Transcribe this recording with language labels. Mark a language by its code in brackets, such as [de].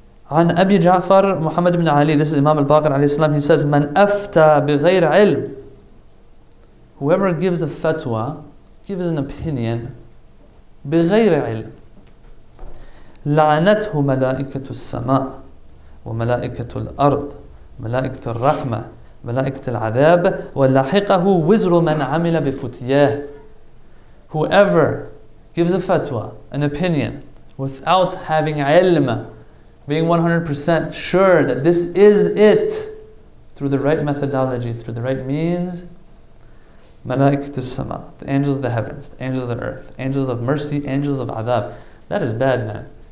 [ar] عن أبي جعفر محمد بن علي. [en] This is Imam al-Baqir عليه السلام. He says, [ar] من أفتى بغير علم. [en] Whoever gives a fatwa, gives an opinion, [ar] بغير علم. لعنته ملائكة السماء وملائكة الأرض ملائكة الرحمة ملائكة العذاب ولاحقه وزر من عمل بفتياه. [en] Whoever gives a fatwa, an opinion, without having علم, being 100% sure that this is it, through the right methodology, through the right means, [ar] ملائكت السماء, [en] the angels of the heavens, the angels of the earth, angels of mercy, angels of عذاب, that is bad, man.